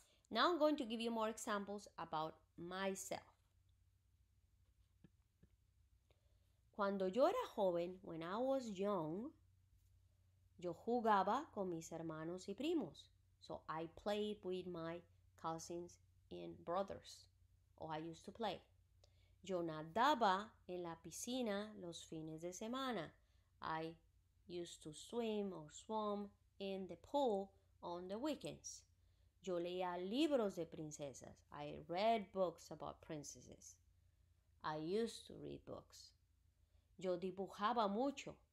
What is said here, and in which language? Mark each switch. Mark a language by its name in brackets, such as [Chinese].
[English] Now I'm going to give you more examples about myself. [Spanish] Cuando yo era joven, [English] when I was young, [Spanish] yo jugaba con mis hermanos y primos. [English] So I played with my cousins and brothers. Or I used to play. [Spanish] Yo nadaba en la piscina los fines de semana. [English] I used to swim or swam in the pool on the weekends. [Spanish] Yo leía libros de princesas. [English] I read books about princesses. I used to read books. [Spanish] Yo dibujaba mucho.